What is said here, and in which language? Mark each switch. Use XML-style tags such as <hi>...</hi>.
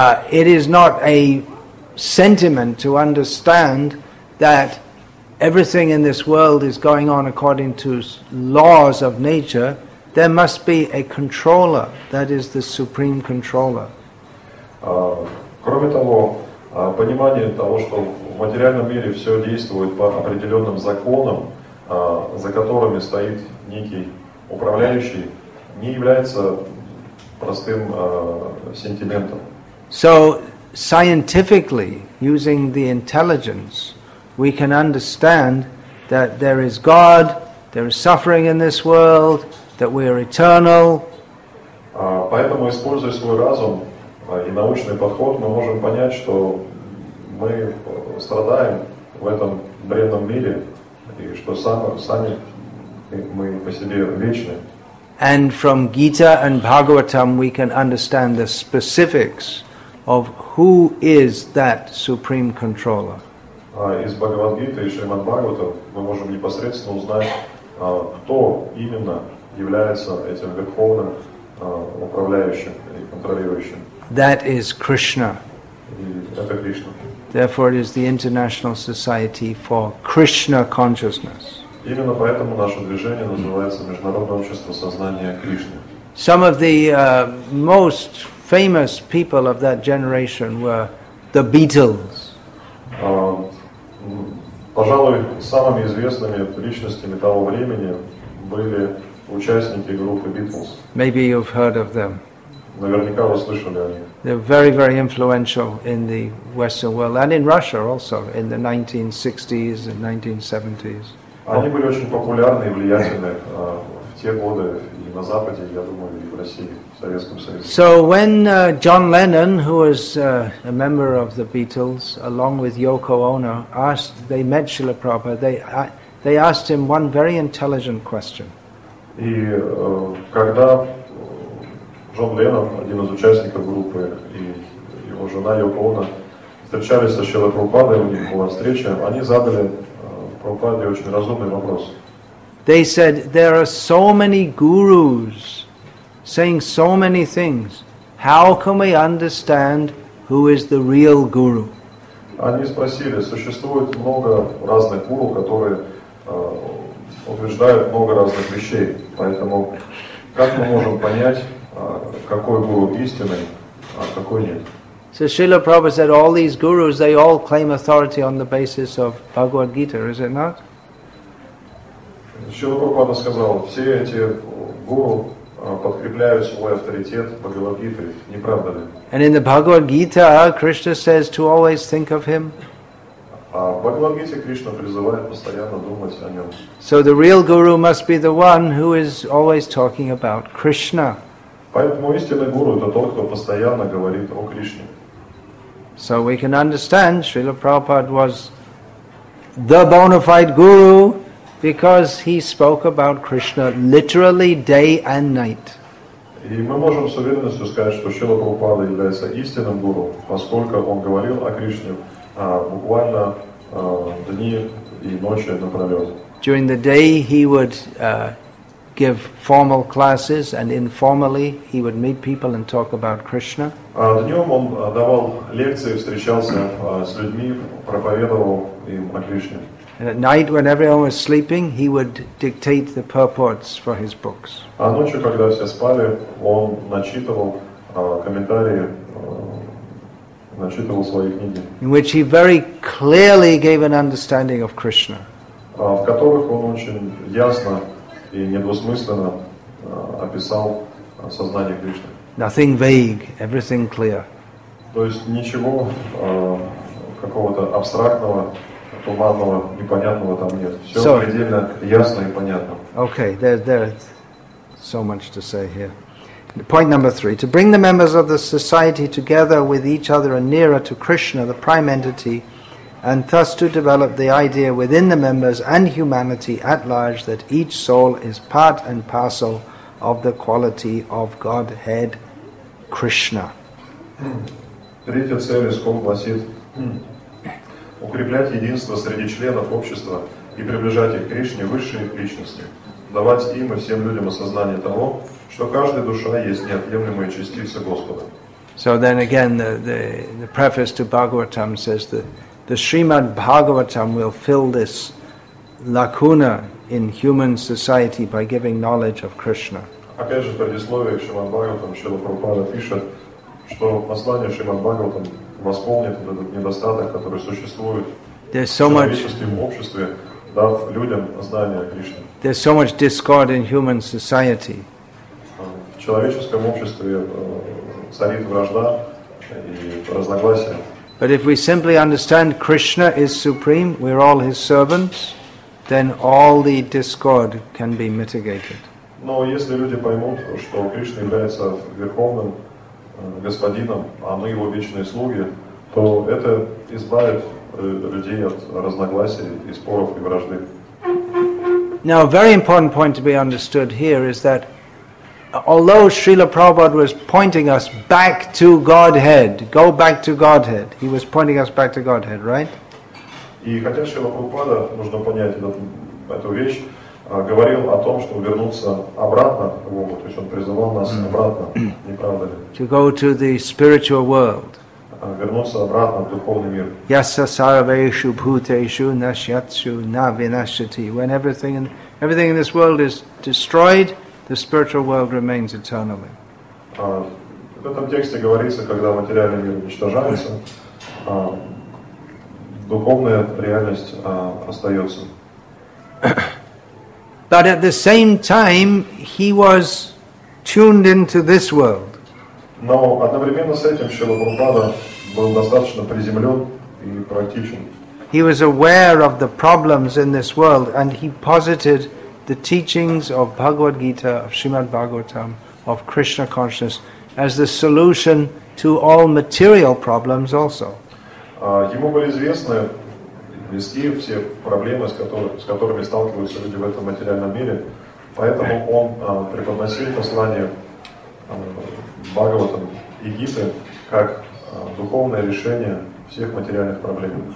<en>It is not a sentiment to understand that everything in this world is going on according to laws of nature. There must be a controller, that is the supreme controller.</en> <ru>Кроме того, понимание того, что в материальном мире все действует по определенным законам, за которыми стоит некий управляющий, не является простым сентиментом.</ru> <en>So, scientifically, using the intelligence, we can understand that there is God, there is suffering in this world, that we are eternal.</en> <ru>Поэтому, используя свой разум и научный подход, мы можем понять, что мы страдаем в этом бренном мире, и что сами мы по себе вечны.</ru> <en>And from Gita and Bhagavatam, we can understand the specifics of who is that supreme controller.</en> <ru>Из Бхагавад-гиты и Шримад-Бхагаватам мы можем непосредственно узнать, кто именно является этим верховным управляющим и контролирующим.</ru> <en>That is Krishna.</en> <ru>Это Кришна.</ru> <en>Therefore, it is the International Society for Krishna Consciousness.</en> <ru>Именно поэтому наше движение называется Международное общество сознания Кришны.</ru> <en>Some of the most famous people of that generation were the Beatles.</en> <ru>Пожалуй, самыми известными личностями того времени были участники группы Beatles.</ru> <en>Maybe you've heard of them.</en> <ru>Наверняка вы слышали о них.</ru> <en>They're very, very influential in the Western world and in Russia also in the 1960s and 1970s.</en> <ru>Они были очень популярны и влиятельны в те годы и на Западе, я думаю, и в России.</ru> <en>So when John Lennon, who was a member of the Beatles, along with Yoko Ono, asked, they met Srila Prabhupada, they asked him one very intelligent question.</en> <ru>И когда Джон Леннон, один из участников группы, и его жена Йоко Оно встречались со Шрилой Прабхупадой, у них была встреча, они задали Прабхупаде очень разумный вопрос.</ru> <en>They said, there are so many gurus saying so many things. How can we understand who is the real guru?</en> <ru>Они спросили, существует много разных гуру, которые утверждают много разных вещей. Поэтому как мы можем понять, какой гуру истинный, а какой нет?</ru> <en>So Srila Prabhupada said, all these gurus, they all claim authority on the basis of Bhagavad Gita, is it not?</en> <ru>Srila Prabhupada сказал, все эти гуру подкрепляют свой авторитет Бхагавад-гитой, не правда ли?</ru> <en>And in the Bhagavad-gita, Krishna says to always think of him.</en> <ru>В Бхагавад-гите Кришна призывает постоянно думать о нем.</ru> <en>So the real guru must be the one who is always talking about Krishna.</en> <ru>Поэтому истинный гуру это тот, кто постоянно говорит о Кришне.</ru> <en>So we can understand Srila Prabhupada was the bona fide guru. Because he spoke about Krishna literally day and night.</en> <ru>И мы можем с уверенностью сказать, что Шрила Прабхупада является истинным гуру, поскольку он говорил о Кришне буквально дни и ночи напролет.</ru> <en>During the day he would give formal classes, and informally he would meet people and talk about Krishna.</en> <ru>Днем он давал лекции, встречался с людьми, проповедовал им о Кришне.</ru> <en>And at night, when everyone was sleeping, he would dictate the purports for his books.</en> <ru>А ночью, когда все спали, он начитывал комментарии, начитывал свои книги.</ru> <en>In which he very clearly gave an understanding of Krishna.</en> <ru>В которых он очень ясно и недвусмысленно описал сознание Кришны.</ru> <en>Nothing vague, everything clear.</en> <ru>То есть ничего какого-то абстрактного. туманного, непонятного там нет. Все so, предельно ясно и понятно.</ru> <en>Okay, there so much to say here. Point number three. To bring the members of the society together with each other and nearer to Krishna, the prime entity, and thus to develop the idea within the members and humanity at large that each soul is part and parcel of the quality of Godhead Krishna.</en> <ru>Третья цель искон гласит укреплять единство среди членов общества и приближать их к Кришне, высшей личности, давать им и всем людям осознание того, что каждая душа есть неотъемлемая частица Господа.</ru> <en>So then again the preface to Bhagavatam says that the Srimad Bhagavatam will fill this lacuna in human society by giving knowledge of Krishna.</en> <ru>Опять же, в предисловии к Шримад Бхагаватам Шрила Прабхупада пишет, что послание Шримад Бхагаватам восполнит этот недостаток, который существует</ru> <en>there's so</en> <ru>в человеческом обществе, дав людям знание о Кришне.</ru> <en>There's so much discord in human society.</en> <ru>В человеческом обществе царит вражда и разногласия.</ru> <en>But if we simply understand Krishna is supreme, we're all his servants, then all the discord can be mitigated.</en> <ru>Но если люди поймут, что Кришна является верховным господином, а мы его вечные слуги, то это избавит людей от разногласий, и споров и вражды.</ru> <en>Now, a very important point to be understood here is that although Srila Prabhupada was pointing us back to Godhead, go back to Godhead. He was pointing us back to Godhead, right?</en> <ru>И хотя Шрила Прабхупада, нужно понять эту вещь, говорил о том, что вернуться обратно к Богу, то есть он призывал нас обратно, не правда ли?</ru> <en>To go to the spiritual world.</en> <ru>Вернуться обратно в духовный мир.</ru> <sa>Yasya sarveshu bhuteshu nashyatsu na vinashyati.</sa> <en>When everything in this world is destroyed, the spiritual world remains eternally.</en> <ru>В этом тексте говорится, когда материальный мир уничтожается, духовная реальность остается.</ru> <en>But at the same time, he was tuned into this world.</en> <ru>Но одновременно с этим Шрила Прабхупада был достаточно приземлен и практичен.</ru> <en>He was aware of the problems in this world, and he posited the teachings of Bhagavad Gita, of Srimad Bhagavatam, of Krishna consciousness as the solution to all material problems also.</en> <ru>Ему были известны вести все проблемы, с которыми сталкиваются люди в этом материальном мире, поэтому он преподносил послание Бхагаватам и Гиты как духовное решение всех материальных проблем.</ru>